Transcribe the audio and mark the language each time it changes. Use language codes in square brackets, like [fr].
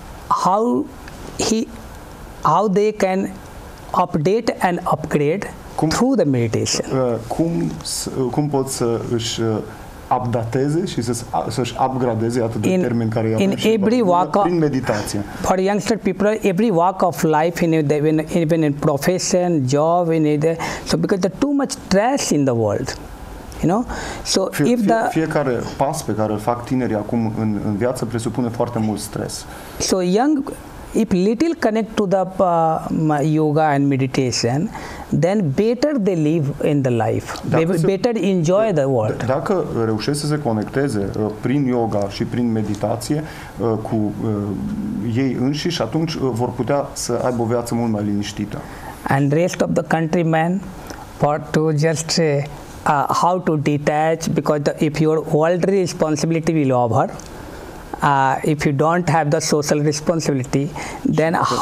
[en] how they can update and upgrade through the meditation. [ro] Cum pot să își updateze și să-și upgradeze atât de termeni care i-am văzut prin meditație. [en] For youngster people, every walk of life, in profession, job, so because there's too much stress in the world. You know? So [ro] fiecare pas pe care îl fac tinerii acum în viață presupune foarte mult stres. [en] So young, if little connect to the yoga and meditation, then better they live in the life. Better enjoy the world. [ro] Dacă reușesc să se conecteze prin yoga și prin meditație cu ei înșiși, atunci vor putea să aibă o viață mult mai liniștită. [en] And rest of the countrymen, for to just how to detach, because if your worldly responsibility will over, if you don't have the social responsibility, then